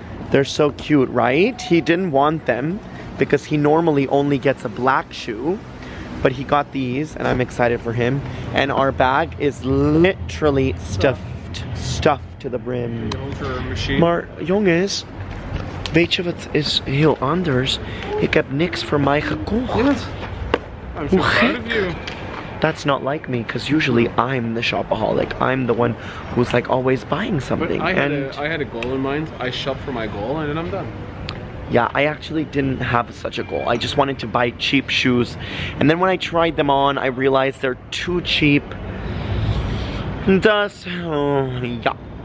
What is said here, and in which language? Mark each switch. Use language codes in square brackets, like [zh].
[en] They're so cute, right? He didn't want them because he normally only gets a black shoe, but he got these and I'm excited for him. And our bag is literally stuffed to the brim. [nl] Maar jongens, weet je wat is heel anders? Ik heb niks voor mij gekocht. [en] I'm so proud of you. That's not like me, because usually I'm the shopaholic. I'm the one who's like always buying something. But I had a goal in mind. I shop for my goal and then I'm done. Yeah, I actually didn't have such a goal. I just wanted to buy cheap shoes. And then when I tried them on, I realized they're too cheap. Thus, yeah.